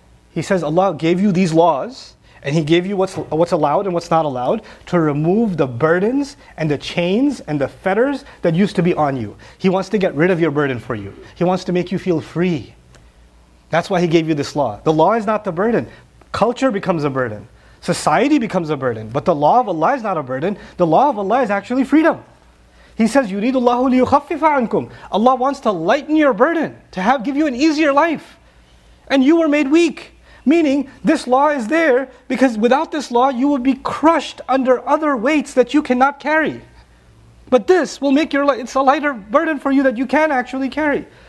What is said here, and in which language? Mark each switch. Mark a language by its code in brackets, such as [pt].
[en] He says Allah gave you these laws, and He gave you what's allowed and what's not allowed, to remove the burdens and the chains and the fetters that used to be on you. He wants to get rid of your burden for you. He wants to make you feel free. That's why He gave you this law. The law is not the burden. Culture becomes a burden. Society becomes a burden. But the law of Allah is not a burden. The law of Allah is actually freedom. He says, [ar] يُرِيدُ اللَّهُ لِيُخَفِّفَ عَنْكُمْ. [en] Allah wants to lighten your burden, to give you an easier life. And you were made weak. Meaning, this law is there because without this law, you would be crushed under other weights that you cannot carry. But this will make your life, it's a lighter burden for you that you can actually carry.